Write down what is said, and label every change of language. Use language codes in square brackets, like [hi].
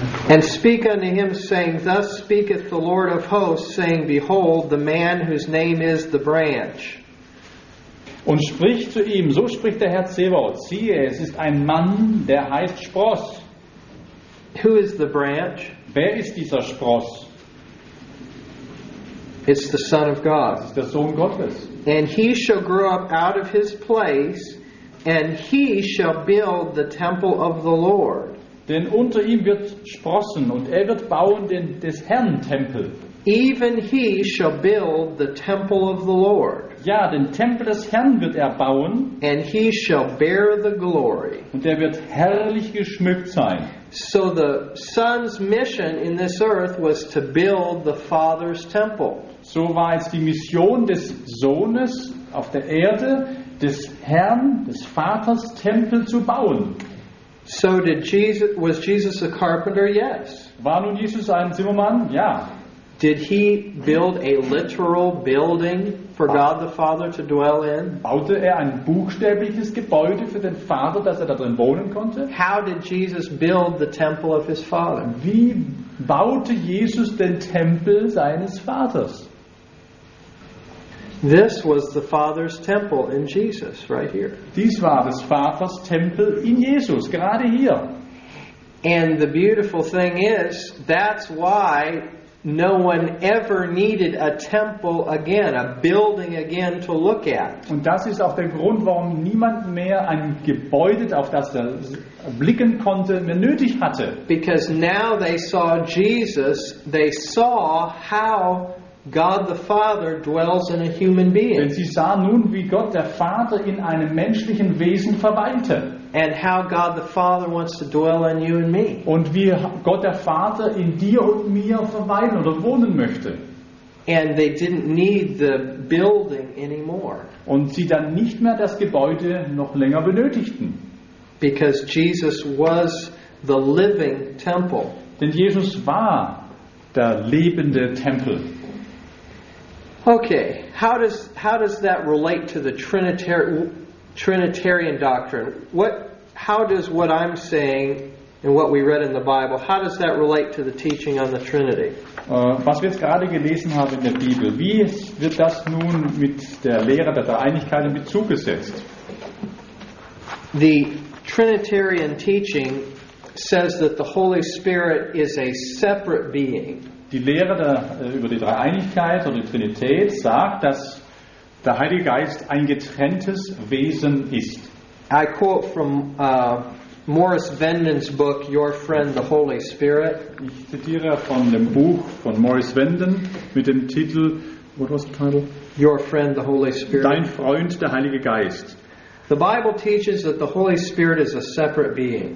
[en] And speak unto him, saying, thus speaketh the Lord of hosts, saying, behold, the man whose name is the branch. [de] Und spricht zu ihm, so spricht der Herr Zebaoth, siehe, es ist ein Mann, der heißt Spross. [en] Who is the branch? [de] Wer ist dieser Spross? [en] It's the Son of God. [de] Es ist der Sohn Gottes. [en] And he shall grow up out of his place, and he shall build the temple of the Lord. [de] Denn unter ihm wird sprossen, und wird bauen den des Herrn Tempel. [en] Even he shall build the temple of the Lord. [de] Ja, den Tempel des Herrn wird bauen. [en] And he shall bear the glory. [de] Und wird herrlich geschmückt sein. [en] So the Son's mission in this earth was to build the Father's temple. [de] So war es die Mission des Sohnes auf der Erde, des Herrn, des Vaters Tempel zu bauen. [en] So did Jesus, was Jesus a carpenter? Yes. [de] War nun Jesus ein Zimmermann? Ja. [en] Did he build a literal building for God the Father to dwell in? [de] Baute ein buchstäbliches Gebäude für den Vater, dass da drin wohnen konnte? [en] How did Jesus build the temple of his Father? [de] Wie baute Jesus den Tempel seines Vaters? [en] This was the Father's temple in Jesus, right here. [de] Dies war des Vaters Tempel in Jesus, gerade hier. [en] And the beautiful thing is, that's why no one ever needed a temple again, a building again to look at. [de] Und das ist auch der Grund, warum niemand mehr ein Gebäude, auf das er blicken konnte, mehr nötig hatte. [en] Because now they saw Jesus, they saw how God the Father dwells in a human being. [de] Denn sie sahen nun, wie Gott der Vater in einem menschlichen Wesen verweilte. [en] And how God the Father wants to dwell in you and me. [de] Und wie Gott der Vater in dir und mir verweilen oder wohnen möchte. [en] And they didn't need the building anymore. [de] Und sie dann nicht mehr das Gebäude noch länger benötigten. [en] Because Jesus was the living temple. [de] Denn Jesus war der lebende Tempel. [en] Okay, how does that relate to the Trinitarian doctrine? How does what I'm saying and what we read in the Bible, how does that relate to the teaching on the Trinity? [de] Was wir jetzt gerade gelesen haben in der Bibel, wie wird das nun mit der Lehre der Dreieinigkeit in Bezug gesetzt? [en] The Trinitarian teaching says that the Holy Spirit is a separate being. [de] die Lehre der, über die Dreieinigkeit oder die Trinität sagt, dass der Heilige Geist ein getrenntes Wesen ist. [en] I quote from Morris Venden's book, Your Friend the Holy Spirit. [de] Ich zitiere von dem Buch von Morris Venden mit dem Titel, [en] what was the title? Your Friend the Holy Spirit. [de] Dein Freund der Heilige Geist. [en] The Bible teaches that the Holy Spirit is a separate being.